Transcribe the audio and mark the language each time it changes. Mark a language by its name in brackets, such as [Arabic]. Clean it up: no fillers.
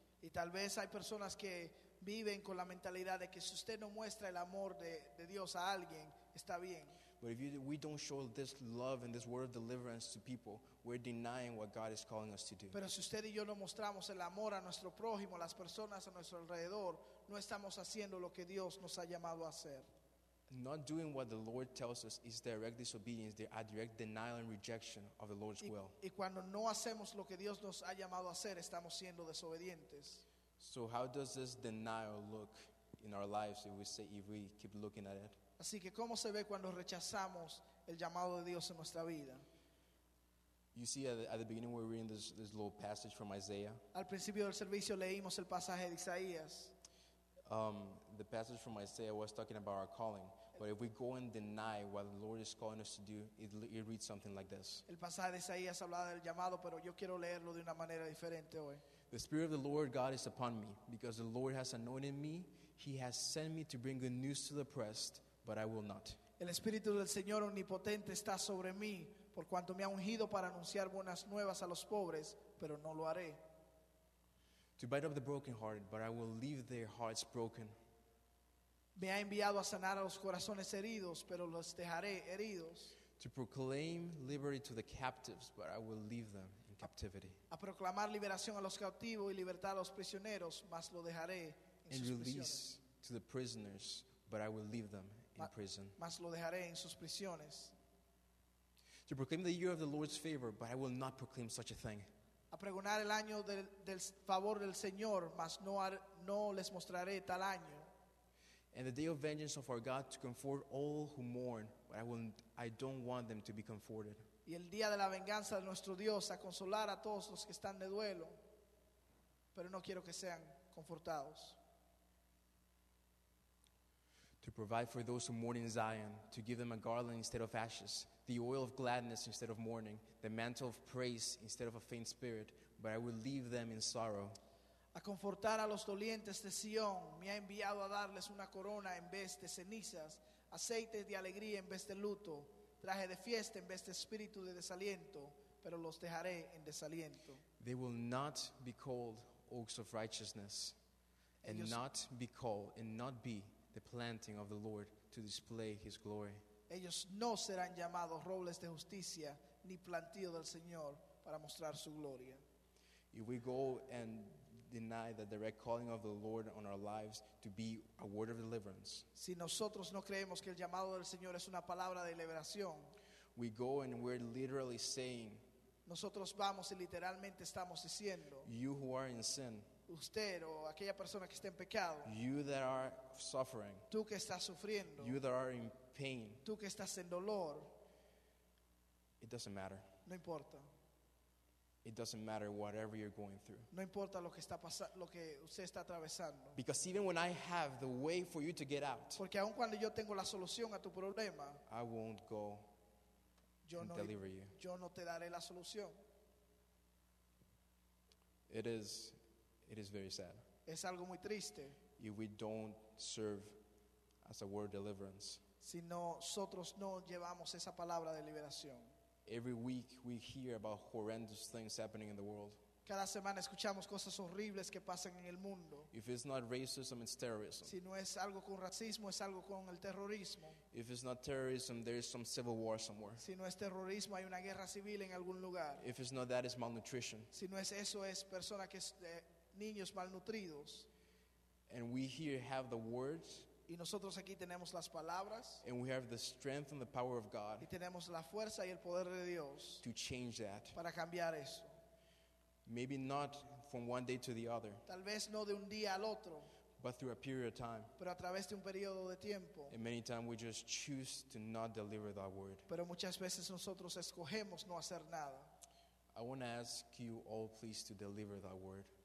[Spanish] Y tal vez hay personas que viven con la mentalidad de que si usted no muestra el amor de Dios a alguien, está bien. [English] But if we don't show this love and this word of deliverance to people, we're denying what God is calling us to do. [Spanish] Pero si usted y yo no mostramos el amor a nuestro prójimo, las personas a nuestro alrededor, no estamos haciendo lo que Dios nos ha llamado a hacer. [English] Not doing what the Lord tells us is direct disobedience. There are direct denial and rejection of the Lord's will. [Spanish] Y cuando no hacemos lo que Dios nos ha llamado a hacer, estamos siendo desobedientes. [English] So how does this denial look in our lives if we keep looking at it? [Spanish] Así que cómo se ve cuando rechazamos el llamado de Dios en nuestra vida. [English] You see, at the beginning we're reading this little passage from Isaiah. [Spanish] Al principio del servicio leímos el pasaje de Isaías. [English] The passage from Isaiah was talking about our calling. But if we go and deny what the Lord is calling us to do, it reads something like this. [Spanish] El pasaje de Isaías hablaba del llamado, pero yo quiero leerlo de una manera diferente hoy. [English] The Spirit of the Lord God is upon me, because the Lord has anointed me. He has sent me to bring good news to the oppressed, but I will not. [Spanish] El Espíritu del Señor Omnipotente está sobre mí, por cuanto me ha ungido para anunciar buenas nuevas a los pobres, pero no lo haré. [English] To bind up the brokenhearted, but I will leave their hearts broken. [Spanish] Me ha enviado a sanar a los corazones heridos, pero los dejaré heridos. [English] To proclaim liberty to the captives, but I will leave them in captivity. [Spanish] A proclamar liberación a los cautivos y libertad a los prisioneros, mas lo dejaré en sus prisiones. [English] And release to the prisoners, but I will leave them in prison. [Spanish] Mas lo dejaré en sus prisiones. [English] To proclaim the year of the Lord's favor, but I will not proclaim such a thing. [Spanish] A pregonar el año del favor del Señor, mas no les mostraré tal año. [English] And the day of vengeance of our God to comfort all who mourn, but I don't want them to be comforted. [Spanish] Y el día de la venganza de nuestro Dios a consolar a todos los que están de duelo, pero no quiero que sean confortados. [English] To provide for those who mourn in Zion, to give them a garland instead of ashes, the oil of gladness instead of mourning, the mantle of praise instead of a faint spirit, but I will leave them in sorrow. [Spanish] A confortar a los dolientes de Sion, me ha enviado a darles una corona en vez de cenizas, aceite de alegría en vez de luto, traje de fiesta en vez de espíritu de desaliento, pero los dejaré en desaliento. [English] They will not be called oaks of righteousness, and ellos, not be called, and not be the planting of the Lord to display his glory. [Spanish] Ellos no serán llamados robles de justicia, ni plantío del Señor para mostrar su gloria. [English] If we go and deny the direct calling of the Lord on our lives to be a word of deliverance. [Spanish] Si nosotros no creemos que el llamado del Señor es una palabra de liberación, [English] we go and we're literally saying, [Spanish] nosotros vamos y literalmente estamos diciendo, [English] you who are in sin, [Spanish] usted o aquella persona que está en pecado, [English] you that are suffering, [Spanish] tú que estás sufriendo, [English] you that are in pain, [Spanish] tú que estás en dolor, [English] it doesn't matter. [Spanish] No importa. [English] It doesn't matter whatever you're going through. [Spanish] No importa lo que está pasando, lo que usted está atravesando. [English] Because even when I have the way for you to get out, [Spanish] porque aun cuando yo tengo la solución a tu problema, [English] I won't go and deliver you. [Spanish] Yo no te daré la solución. [English] It is very sad. [Spanish] Es algo muy triste. [English] If we don't serve as a word of deliverance, [Spanish] si nosotros no llevamos esa palabra de liberación. [English] Every week we hear about horrendous things happening in the world. [Spanish] Cada semana escuchamos cosas horribles que pasan en el mundo. [English] If it's not racism, it's terrorism. [Spanish] Si no es algo con racismo, es algo con el terrorismo. [English] If it's not terrorism, there is some civil war somewhere. [Spanish] Si no es terrorismo, hay una guerra civil en algún lugar. [English] If it's not that, it's malnutrition. [Spanish] Si no es eso, es personas que niños malnutridos. [English] And we here have the words. [Spanish] Y nosotros aquí tenemos las palabras. [English] And we have the strength and the power of God. [Spanish] Y tenemos la fuerza y el poder de Dios. [English] To change that. [Spanish] Para cambiar eso. [English] Maybe not from one day to the other. [Spanish] Tal vez no de un día al otro. [English] But through a period of time. [Spanish] Pero a través de un periodo de tiempo. [English] And many times we just choose to not deliver that word. [Spanish] Pero muchas veces nosotros escogemos no hacer nada. [English] I want to ask you all please to deliver that word.